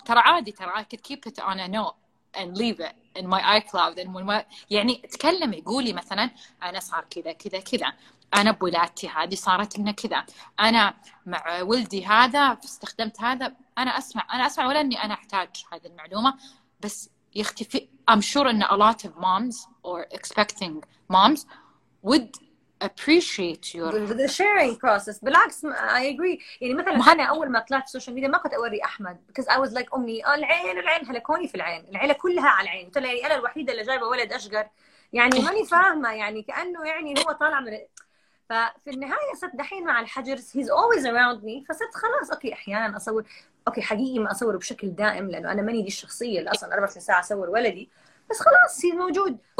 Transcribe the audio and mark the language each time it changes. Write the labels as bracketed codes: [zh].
[ar] ترى عادي, ترى [en] I could keep it on a note and leave it in my iCloud. [ar] يعني تكلمي, قولي مثلا أنا صار كذا كذا كذا, أنا بولادتي هذه صارت لنا كذا, أنا مع ولدي هذا استخدمت هذا. أنا أسمع ولا أني أنا أحتاج هذه المعلومة, بس يختفي. [en] I'm sure أن a lot of moms or expecting moms would appreciate your the sharing process. بالعكس, I agree. [ar] يعني مثلا أنا أول ما طلعت في السوشيال ميديا ما كنت أوري أحمد, [en] because I was like [ar] أمي العين هلكوني في العين, العيلة كلها على العين, قلت لي أنا الوحيدة اللي جايبة ولد أشقر, يعني ماني فاهمة, يعني كأنه يعني هو طالع من. ففي النهاية صرت دحين مع الحجر [en] he's always around me, [ar] فصرت خلاص أوكي أحيانا أصور, أوكي حقيقي ما أصور بشكل دائم لأنه أنا ماني دي الشخصية اللي أصلا 24 ساعة أصور ولدي, بس خلاص موجود.